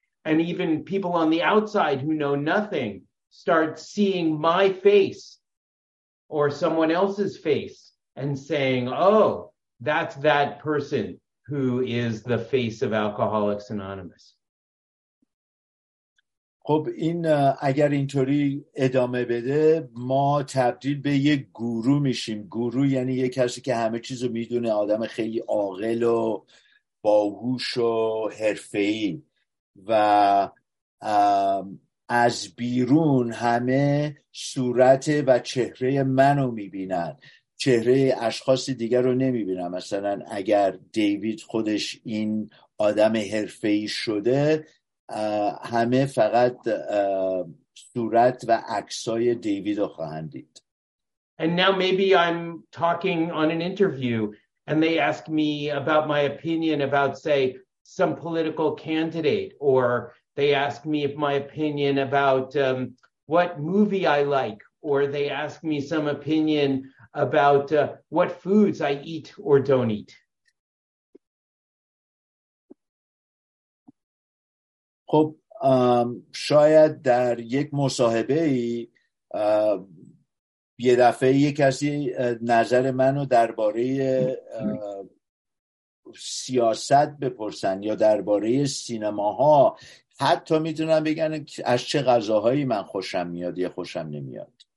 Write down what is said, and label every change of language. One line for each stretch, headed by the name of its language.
English: And even people on the outside who know nothing start seeing my face or someone else's face and saying, oh, that's that person who is the face of Alcoholics Anonymous.
Persian: خب این اگر اینطوری ادامه بده, ما تبدیل به یک گورو میشیم. گورو یعنی یک کسی که همه چیزو میدونه, آدم خیلی عاقل و باهوش و حرفه‌ای. و از بیرون همه صورت و چهره منو میبینن, چهره اشخاص دیگر رو نمیبینن. مثلا اگر دیوید خودش این آدم حرفه‌ای شده, همه فقط صورت و عکسای دیوید رو خواهند دید.
English: And now maybe I'm talking on an interview and they ask me about my opinion about, say, some political candidate, or they ask me if my opinion about what movie I like, or they ask me some opinion about what foods I eat or don't eat.
Persian: خب شاید در یک مصاحبه ای یه دفعه یک کسی نظر منو درباره سیاست بپرسن یا درباره سینماها, حتی میتونن بگن از چه غذاهایی من خوشم میاد یا خوشم نمیاد.